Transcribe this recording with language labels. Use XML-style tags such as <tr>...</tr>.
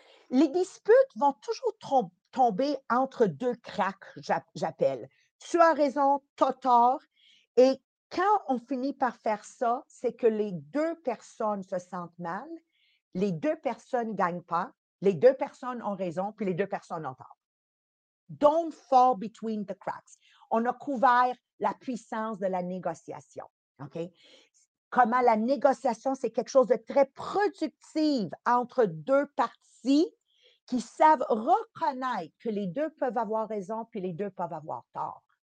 <fr>Les disputes vont toujours tomber entre deux cracks, j'appelle. Tu as raison, t'as tort. Et quand on finit par faire ça, c'est que les deux personnes se sentent mal, les deux personnes ne gagnent pas, les deux personnes ont raison, puis les deux personnes ont tort.</fr> <en>Don't fall between the cracks.</en> <fr>On a couvert la puissance de la négociation. OK? Comment la négociation, c'est quelque chose de très productif entre deux parties qui savent reconnaître que les deux peuvent avoir raison puis les deux peuvent avoir tort.</fr>